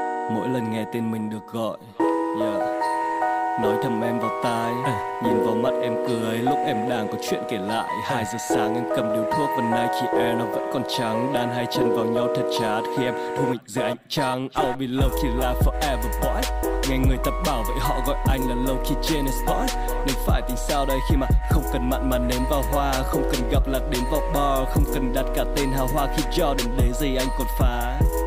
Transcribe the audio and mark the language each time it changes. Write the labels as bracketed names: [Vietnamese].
[Vietnamese] Mỗi lần nghe tên mình được gọi, yeah. Nói thầm em vào tai, nhìn vào mắt em cười lúc em đang có chuyện kể lại. 2 giờ sáng em cầm điếu thuốc và Nike Air nó vẫn còn trắng. Đan hai chân vào nhau thật chát khi em thu mình dưới ánh trăng. [English] I'll be lucky like forever boy. [Vietnamese] Nghe người ta bảo vậy họ gọi anh là [English] lucky genius boy. [Vietnamese] Nên phải tính sao đây khi mà không cần mặn mà nếm vào hoa, không cần gặp là đến vào bar, không cần đặt cả tên hào hoa khi cho đến đấy gì anh còn phá.